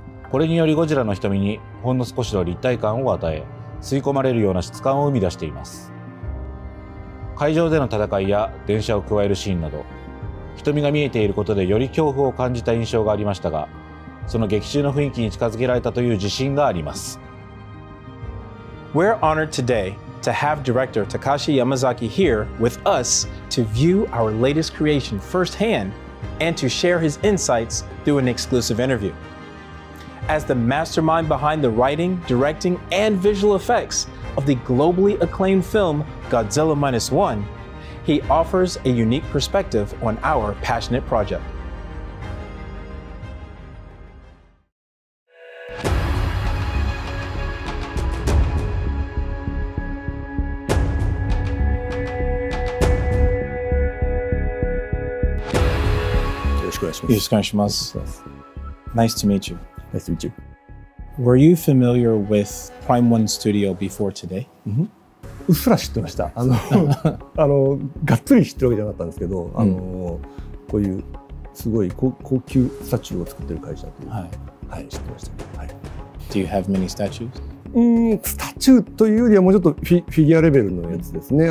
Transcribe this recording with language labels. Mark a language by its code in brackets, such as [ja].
[ja] これによりゴジラの瞳にほんの少しの立体感を与え、吸い込まれるような質感を生み出しています。会場での戦いや電車を加えるシーンなど、瞳が見えていることでより恐怖を感じた印象がありましたが、その劇中の雰囲気に近づけられたという自信があります。 [en] We're honored today to have director Takashi Yamazaki here with us to view our latest creation firsthand and to share his insights through an exclusive interviewAs the mastermind behind the writing, directing, and visual effects of the globally acclaimed film Godzilla Minus One, he offers a unique perspective on our passionate project. [ja] くお願いします。よろしくお願いします [en] 。 Nice to meet you. Nice to meet you. Were you familiar with Prime One Studio before today? [ja] うっすら知ってました。あのがっつり知ってるわけじゃなかったんですけど、あの、こういうすごい高級スタチューを作ってる会社という、はい、知ってました。はい。 [en] Do you have many statues? [ja] スタチューというよりはもうちょっとフィギュアレベルのやつですね。